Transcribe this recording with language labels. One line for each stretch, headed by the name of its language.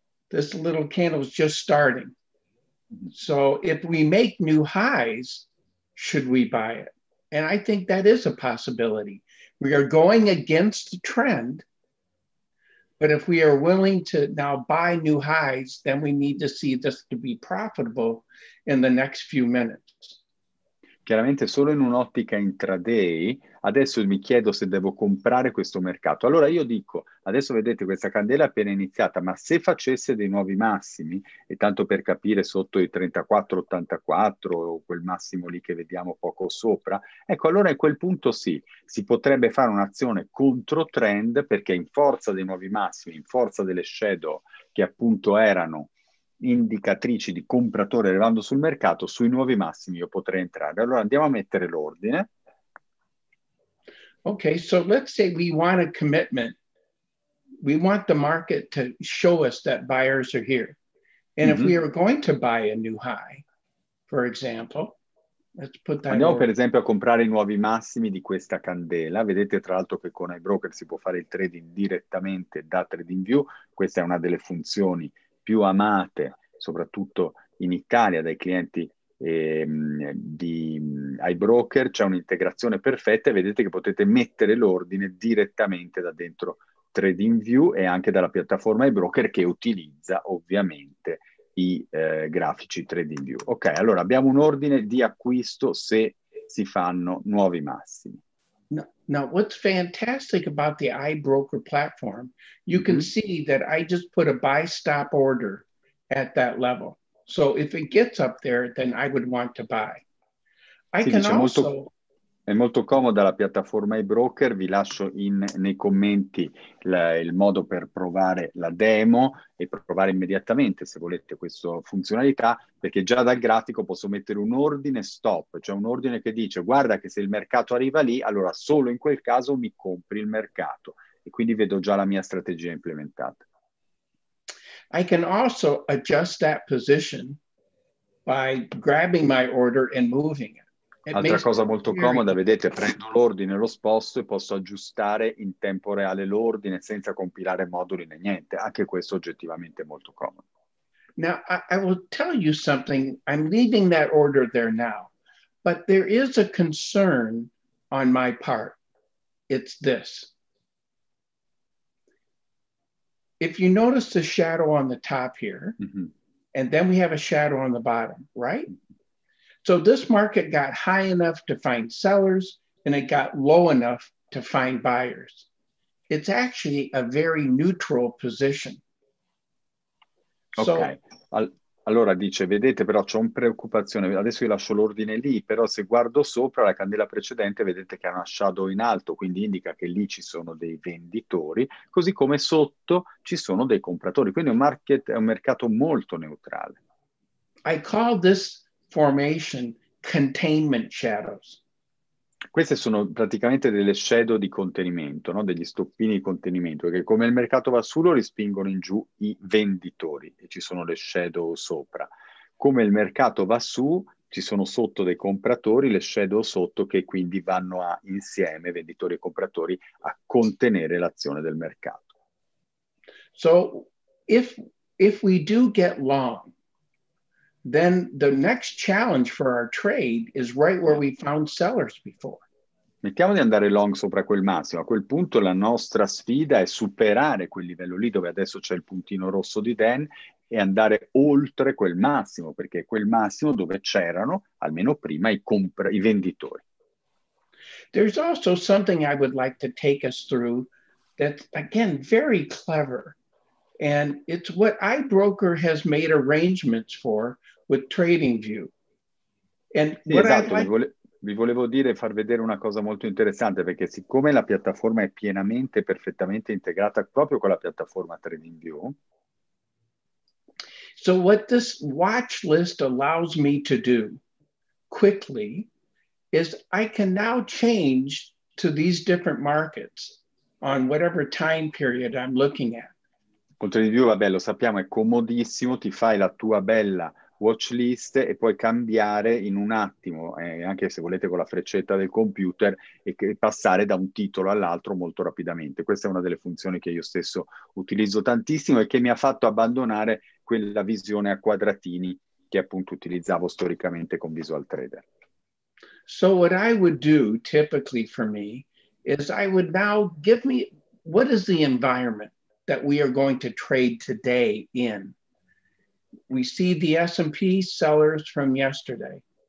English: This little candle is just starting. So if we make new highs, should we buy it? And I think that is a possibility. We are going against the trend, but if we are willing to now buy new highs, then we need to see this to be profitable in the next few minutes.
Italian: Chiaramente solo in un'ottica intraday, adesso mi chiedo se devo comprare questo mercato. Allora io dico, adesso vedete questa candela è appena iniziata, ma se facesse dei nuovi massimi, e tanto per capire sotto i 34,84 o quel massimo lì che vediamo poco sopra, ecco allora a quel punto sì, si potrebbe fare un'azione contro trend perché in forza dei nuovi massimi, in forza delle shadow che appunto erano indicatrici di compratore arrivando sul mercato, sui nuovi massimi io potrei entrare. Allora andiamo a mettere l'ordine.
English: Ok, so let's say we want a commitment. We want the market to show us that buyers are here. And mm-hmm. if we are going to buy a new high, for example, let's put that
Italian: andiamo over. Per esempio a comprare i nuovi massimi di questa candela. Vedete tra l'altro che con iBroker si può fare il trading direttamente da TradingView. Questa è una delle funzioni più amate soprattutto in Italia dai clienti di iBroker, c'è un'integrazione perfetta e vedete che potete mettere l'ordine direttamente da dentro TradingView e anche dalla piattaforma iBroker che utilizza ovviamente i grafici 3D in view. Ok, allora abbiamo un ordine di acquisto se si fanno nuovi massimi.
English: Now, what's fantastic about the iBroker platform, you can see that I just put a buy stop order at that level. So if it gets up there, then I would want to buy. I can also...
Italian: Molto, è molto comoda la piattaforma iBroker, vi lascio nei commenti il modo per provare la demo e provare immediatamente, se volete, questa funzionalità, perché già dal grafico posso mettere un ordine stop, cioè un ordine che dice, guarda che se il mercato arriva lì, allora solo in quel caso mi compri il mercato. E quindi vedo già la mia strategia implementata.
English: I can also adjust that position by grabbing my order and moving it.
Italian: Altra cosa molto comoda, vedete, prendo l'ordine, lo sposto e posso aggiustare in tempo reale l'ordine senza compilare moduli né niente. Anche questo oggettivamente è molto comodo.
English: Now, I will tell you something. I'm leaving that order there now. But there is a concern on my part. It's this. If you notice the shadow on the top here, and then we have a shadow on the bottom, right? So this market got high enough to find sellers and it got low enough to find buyers. It's actually a very neutral position. Ok, so,
Italian: allora dice, vedete però c'è una preoccupazione, adesso io lascio l'ordine lì, però se guardo sopra la candela precedente vedete che ha una shadow in alto, quindi indica che lì ci sono dei venditori, così come sotto ci sono dei compratori, quindi è un mercato molto neutrale.
English: I call this formation containment shadows.
Italian: Queste sono praticamente delle shadow di contenimento, no? Degli stoppini di contenimento, che come il mercato va su lo respingono in giù i venditori e ci sono le shadow sopra. Come il mercato va su, ci sono sotto dei compratori, le shadow sotto che quindi vanno a insieme, venditori e compratori, a contenere l'azione del mercato.
English: So if we do get long, then the next challenge for our trade is right where we found sellers before.
Italian: Mettiamo di andare long sopra quel massimo. A quel punto la nostra sfida è superare quel livello lì dove adesso c'è il puntino rosso di Dan e andare oltre quel massimo, perché è quel massimo dove c'erano, almeno prima, i venditori.
English: There's also something I would like to take us through that's, again, very clever. And it's what iBroker has made arrangements for with TradingView. And
Italian: sì, what esatto, vi volevo dire, far vedere una cosa molto interessante, perché siccome la piattaforma è pienamente, perfettamente integrata proprio con la piattaforma TradingView.
English: So what this watch list allows me to do quickly is I can now change to these different markets on whatever time period I'm looking at.
Italian: Oltre di più, vabbè, lo sappiamo, è comodissimo, ti fai la tua bella watch list e puoi cambiare in un attimo, anche se volete con la freccetta del computer, e passare da un titolo all'altro molto rapidamente. Questa è una delle funzioni che io stesso utilizzo tantissimo e che mi ha fatto abbandonare quella visione a quadratini che appunto utilizzavo storicamente con Visual Trader.
English: So what I would do typically for me is I would now give me, what is the environment that we are going to trade today in? We see the S&P sellers from yesterday.